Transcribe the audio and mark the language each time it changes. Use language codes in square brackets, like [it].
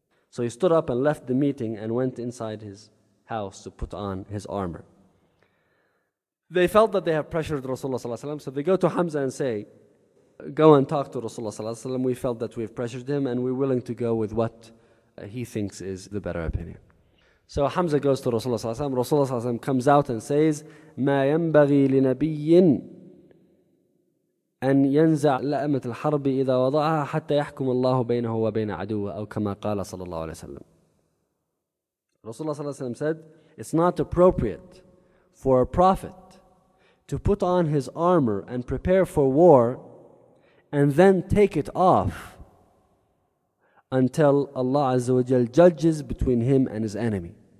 [en] So he stood up and left the meeting and went inside his house to put on his armor. They felt that they have pressured Rasulullah sallallahu alaihi wasallam, so they go to Hamza and say, go and talk to Rasulullah sallallahu alaihi wasallam. We felt that we have pressured him and we're willing to go with what he thinks is the better opinion. So Hamza goes to Rasulullah sallallahu alaihi wasallam. Rasulullah sallallahu alaihi wasallam comes out and says, [ar] مَا يَنْبَغِي لِنَبِيٍّ أَنْ يَنْزَعْ لَأَمَةِ الْحَرْبِ إِذَا وَضَعَهَا حَتَّى يَحْكُمَ اللَّهُ بَيْنَهُ وَبَيْنَ عَدُوهُ أَوْ كَمَا قَالَ صَلَى اللَّهُ عَلَيْهِ وَسَلَّمَ. [en] Rasulullah sallallahu alaihi wasallam said, it's not appropriate for a prophet to put on his armor and prepare for war and then take it off until Allah Azza wa Jal judges between him and his enemy.